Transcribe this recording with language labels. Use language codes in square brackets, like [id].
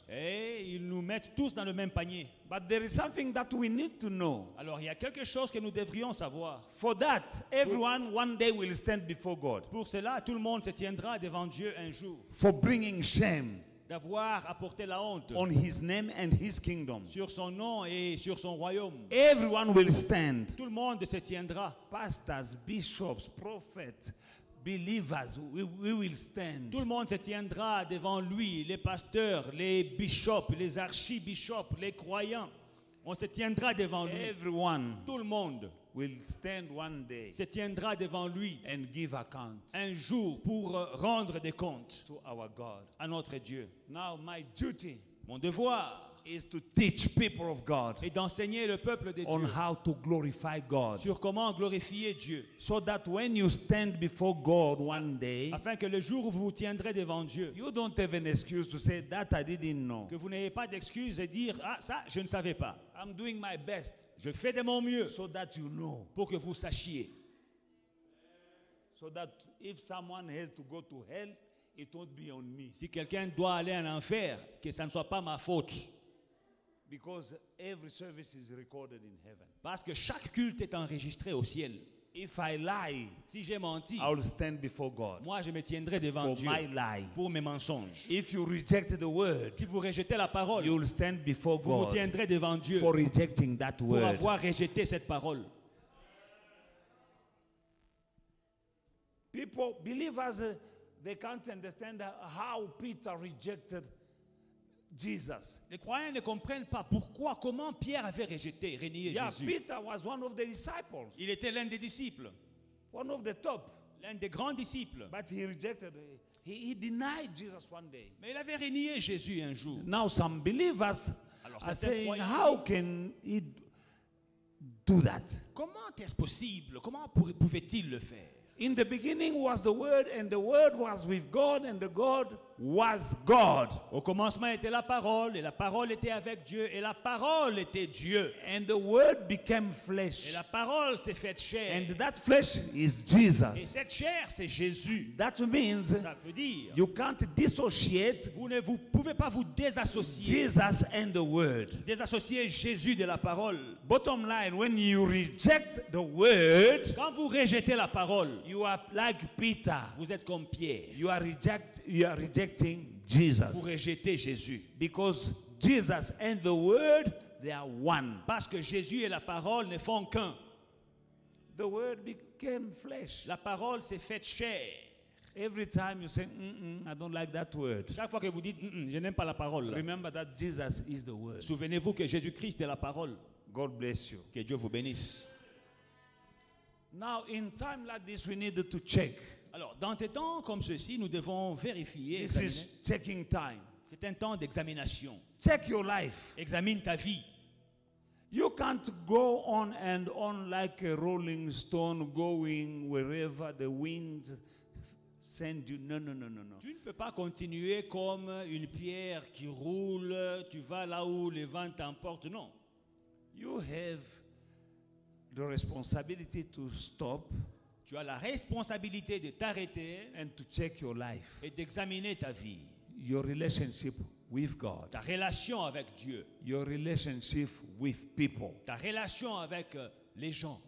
[fr] Et ils nous mettent tous dans le même panier. [en] But there is something that we need to know. [fr] Alors il y a quelque chose que nous devrions savoir. [en] For that, everyone one day will stand before God. [fr] Pour cela, tout le monde se tiendra devant Dieu un jour. [en] For bringing shame. [fr] D'avoir apporté la honte [en] on his name and his kingdom. [fr] Sur son nom et sur son royaume. [en] Everyone will stand. [fr] Tout le monde se tiendra. [en] Pastors, bishops, prophets, believers, we will stand. [fr] Tout le monde se tiendra devant lui, les pasteurs, les bishops, les archibishops, les croyants. On se tiendra devant lui. [en] Everyone. [fr] Tout le monde. [en] Will stand one day [fr] se tiendra devant lui [en] and give account [fr] un jour pour rendre des comptes [en] to our God. [fr] À notre Dieu. [en] Now my duty [fr] mon devoir [en] is to teach people of God [fr] et d'enseigner le peuple de Dieu [en] on how to glorify God [fr] sur comment glorifier Dieu [en] so that when you stand before God one day [fr] afin que le jour où vous vous tiendrez devant Dieu [en] you don't have an excuse to say that I didn't know [fr] que vous n'ayez pas d'excuse et dire ah ça je ne savais pas [en] I'm doing my best [fr] je fais de mon mieux [en] so that you know [fr] pour que vous sachiez [en] so that if someone has to go to hell it won't be on me [fr] si quelqu'un doit aller en enfer que ça ne soit pas ma faute [en] because every service is recorded in heaven [fr] parce que chaque culte est enregistré au ciel [en] if I lie [fr] si j'ai menti [en] I will stand before God [fr] moi je me tiendrai devant [en] for [fr] Dieu [en] my lie [fr] pour mes mensonges [en] if you reject the word [fr] si vous rejetez la parole [en] you will stand before [fr] vous [en] God [fr] vous tiendrez devant Dieu [en] for rejecting that word [fr] pour avoir rejeté cette parole. [en] People, believers, they can't understand how Peter rejected Jesus. [fr] Les croyants ne comprennent pas pourquoi, comment Pierre avait rejeté, renié yeah, Jésus. [en] Peter was one of the disciples. [fr] Il était l'un des disciples. [en] One of the top. [fr] L'un des grands disciples. [en] But he rejected, he denied Jesus one day. [fr] Mais il avait renié Jésus un jour. [en] Now some believers are saying, how can he do that? [fr] Comment est-ce possible? Comment pouvait-il le faire? [en] In the beginning was the Word, and the Word was with God, and the God was God. [fr] Au commencement était la parole, et la parole était avec Dieu, et la parole était Dieu. [en] And the Word became flesh. [fr] Et la parole s'est faite chair. [en] And that flesh is Jesus. [fr] Et cette chair, c'est Jésus. [en] That means [fr] ça veut dire, [en] you can't dissociate. [fr] Vous ne vous pouvez pas vous désassocier. [en] Jesus and the Word. [fr] Désassocier Jésus de la parole. [en] Bottom line, when you reject the Word, [fr] quand vous rejetez la parole, [en] you are like Peter. [fr] Vous êtes comme Pierre. [en] You are rejecting Jesus. [fr] Vous rejetez Jésus. [en] Because Jesus and the Word, they are one. [fr] Parce que Jésus et la parole ne font qu'un. [en] The Word became flesh. [fr] La parole s'est faite chair. [en] Every time you say, I don't like that word. [fr] Chaque fois que vous dites, je n'aime pas la parole. [en] Remember that Jesus is the Word. [fr] Souvenez-vous que Jésus-Christ est la parole. [en] God bless you. [fr] Que Dieu vous bénisse. [en] Now, in time like this, we need to check. [fr] Alors, dans des temps comme ceci, nous devons vérifier. [en] This is checking time. [fr] C'est un temps d'examination. [en] Check your life. [fr] Examine ta vie. [en] You can't go on and on like a rolling stone going wherever the wind sends you. No. [fr] Tu ne peux pas continuer comme une pierre qui roule, tu vas là où le vent t'emporte. Non. [en] You have the responsibility to stop. [fr] Tu as la responsabilité de t'arrêter [en] and to check your life. [fr] Et d'examiner ta vie. [en] Your relationship with God. [fr] Ta relation avec Dieu. [en] Your relationship with people. [fr] Ta relation avec les gens.